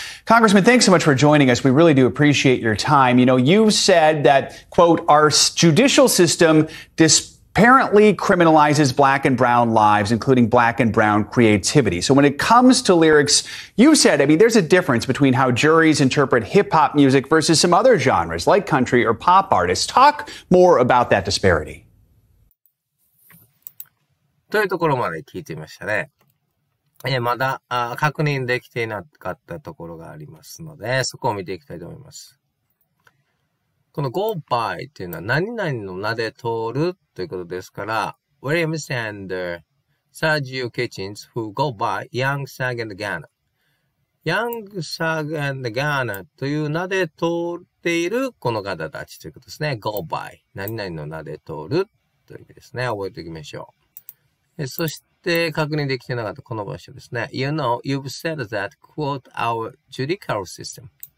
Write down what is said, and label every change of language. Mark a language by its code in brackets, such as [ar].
[en] Congressman, thanks so much for joining us. We really do appreciate your time. You know, you've said that, quote, our judicial system disparately criminalizes black and brown lives, including black and brown creativity. So when it comes to lyrics, you said, I mean, there's a difference between how juries interpret hip hop music versus some other genres like country or pop artists. Talk more about that disparity. [ja] というところまで聞いてみましたね。まだ確認できていなかったところがありますので、そこを見ていきたいと思います。この go by っていうのは何々の名で通るということですから、 [en] Williams and Sergio Kitchens who go by Young Thug and Gunna。 [ja] Young Thug and Gunna という名で通っているこの方たちということですね。 go by 何々の名で通るという意味ですね。覚えておきましょう。そして確認できてなかったこの場所ですね。 [en] You know, you've said that, quote, our judicial system.